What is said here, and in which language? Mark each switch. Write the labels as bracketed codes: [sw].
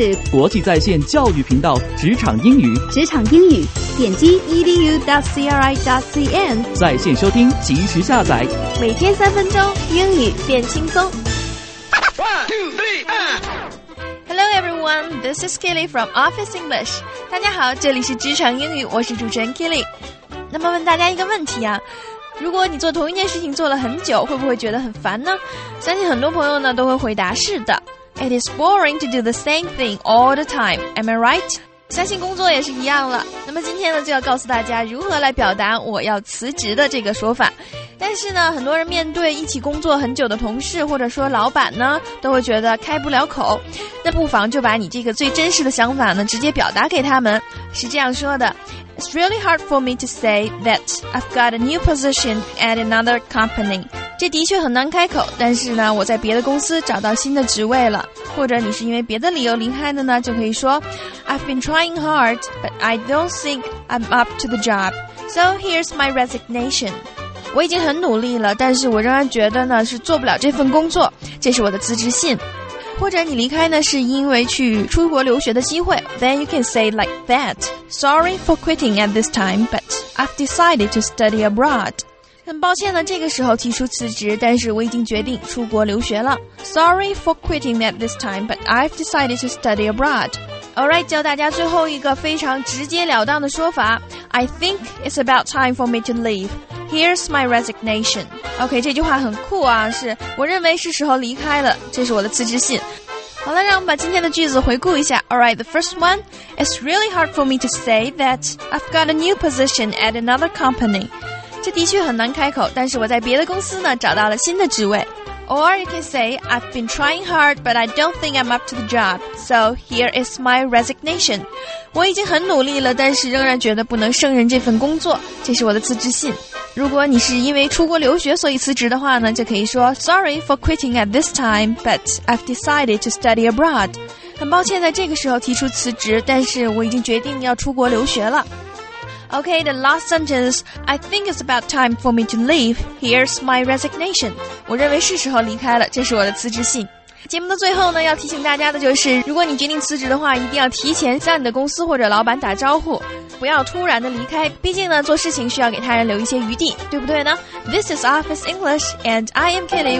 [zh] 国际在线教育频道职场英语。职场英语，点击 edu.cri.cn 在线收听，及时下载。每天三分钟，英语变轻松。 [en] Hello everyone, this is Kelly from Office English. [zh] 大家好，这里是职场英语，我是主持人 Kelly。那么问大家一个问题啊。如果你做同一件事情做了很久，会不会觉得很烦呢？相信很多朋友呢都会回答是的。 [en] It is boring to do the same thing all the time, am I right? [zh] 相信工作也是一样了。那么今天呢就要告诉大家如何来表达我要辞职的这个说法。但是呢很多人面对一起工作很久的同事或者说老板呢都会觉得开不了口。那不妨就把你这个最真实的想法呢直接表达给他们。是这样说的。 [en] It's really hard for me to say that I've got a new position at another company. [zh] 这的确很难开口，但是呢，我在别的公司找到新的职位了。或者你是因为别的理由离开的呢，就可以说 [en] I've been trying hard, but I don't think I'm up to the job. So here's my resignation. [zh] 我已经很努力了，但是我仍然觉得呢，是做不了这份工作。这是我的辞职信。或者你离开呢是因为去出国留学的机会 [en] Then you can say like that Sorry for quitting at this time But I've decided to study abroad [zh] 很抱歉呢这个时候提出辞职但是我已经决定出国留学了 [en] Sorry for quitting at this time But I've decided to study abroad Alright [zh] 教大家最后一个非常直接了当的说法 [en] I think it's about time for me to leaveHere's my resignation. [zh] OK, 这句话很酷啊，是我认为是时候离开了，这是我的辞职信。好了，让我们把今天的句子回顾一下。 [en] Alright, the first one. It's really hard for me to say that I've got a new position at another company. [zh] 这的确很难开口，但是我在别的公司呢，找到了新的职位。 [en] Or you can say, I've been trying hard, but I don't think I'm up to the job. So here is my resignation. [zh] 我已经很努力了，但是仍然觉得不能胜任这份工作，这是我的辞职信。如果你是因为出国留学所以辞职的话呢，就可以说 [en] Sorry for quitting at this time, but I've decided to study abroad. [zh] 很抱歉在这个时候提出辞职，但是我已经决定要出国留学了。 [en] Okay, the last sentence. I think it's about time for me to leave. Here's my resignation. [zh] 我认为是时候离开了，这是我的辞职信。节目的最后呢，要提醒大家的就是，如果你决定辞职的话，一定要提前向你的公司或者老板打招呼。不要突然的离开，毕竟呢，做事情需要给他人留一些余地，对不对呢 ？ [en] This is Office English, and I am Kelly.